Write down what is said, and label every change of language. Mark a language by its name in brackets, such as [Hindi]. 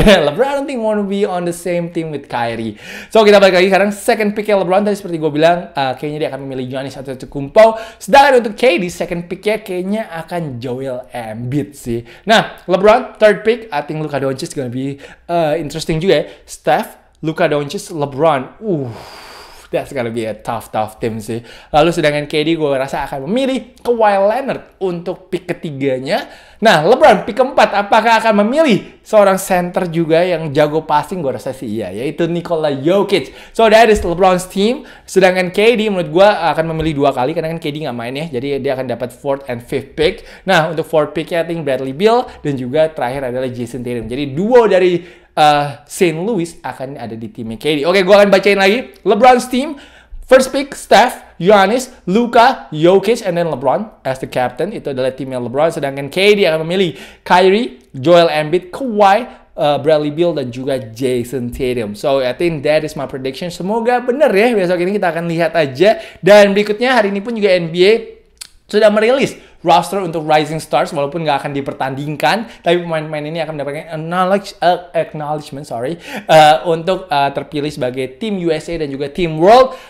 [English] LeBron don't think wanna be on the same team with Kyrie. [Indonesian] So kita balik lagi sekarang. Second picknya LeBron, tadi seperti gue bilang, kayaknya dia akan memilih Giannis atau Antetokounmpo. Sedangkan untuk KD, second picknya kayaknya akan Joel Embiid sih. [English] Nah, LeBron, third pick, I think Luka Doncic gonna be interesting [Indonesian] juga ya. [English] Steph, Luka Doncic, LeBron. That's gonna be a tough team sih. [Indonesian] Lalu sedangkan KD, gue rasa akan memilih Kawhi Leonard untuk pick ketiganya. Nah, LeBron, pick keempat, apakah akan memilih seorang center juga yang jago passing? Gue rasa sih iya, yaitu Nikola Jokic. [English] So, that is LeBron's team. [Indonesian] Sedangkan KD, menurut gue, akan memilih dua kali, karena kan KD nggak main ya, jadi dia akan dapat [English] fourth and fifth pick. [Indonesian] Nah, untuk fourth pick-nya, [English] I think [Indonesian] Bradley Beal, dan juga terakhir adalah Jason Tatum. Jadi, duo dari St. Louis akan ada di timnya KD. Oke, gue akan bacain lagi. [English] LeBron's team, first pick, Steph, Giannis, Luka, Jokic, and then LeBron as the captain. [Indonesian] Itu adalah timnya LeBron. Sedangkan KD akan memilih Kyrie, Joel Embiid, Kawhi, Bradley Beal, dan juga Jason Tatum. [English] So, I think that is my prediction. [Indonesian] Semoga benar ya. Besok ini kita akan lihat aja. Dan berikutnya, hari ini pun juga NBA sudah merilis roster untuk Rising Stars, walaupun nggak akan dipertandingkan, tapi pemain-pemain ini akan mendapatkan acknowledgement untuk terpilih sebagai tim USA dan juga tim World.